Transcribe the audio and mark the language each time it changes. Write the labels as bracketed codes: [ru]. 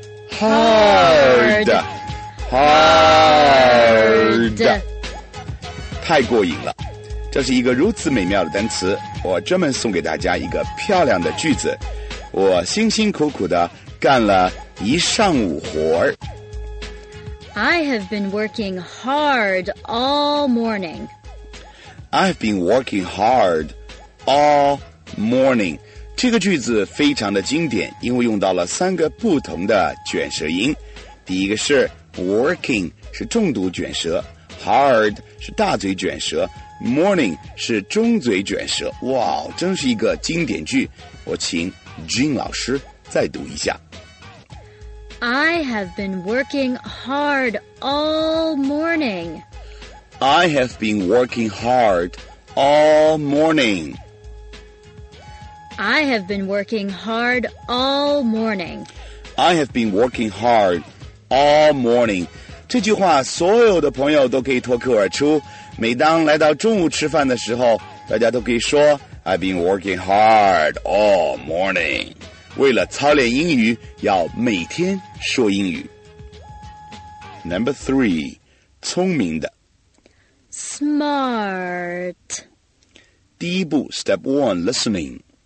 [en] hard, hard. [zh] 太过瘾了，这是一个如此美妙的单词，我专门送给大家一个漂亮的句子。我辛辛苦苦地干了一上午活儿。 [en] I have been working hard all morning. I've been working hard all morning. [zh] 这个句子非常的经典，因为用到了三个不同的卷舌音。第一个是 working 是重读卷舌， hard 是大嘴卷舌， morning 是中嘴卷舌。哇，真是一个经典句，我请 Jean 老师再读一下。 [en] I have been working hard all morning. I have been working hard all morning. I have been working hard all morning. I have been working hard all morning. [zh] 这句话所有的朋友都可以脱口而出，每当来到中午吃饭的时候，大家都可以说 [en] I've been working hard all morning. [zh] 为了操练英语，要每天说英语。 [en] Number three, [zh] 聪明的。 [en] Smart. [zh] 第一步 [en] ,step one, listening.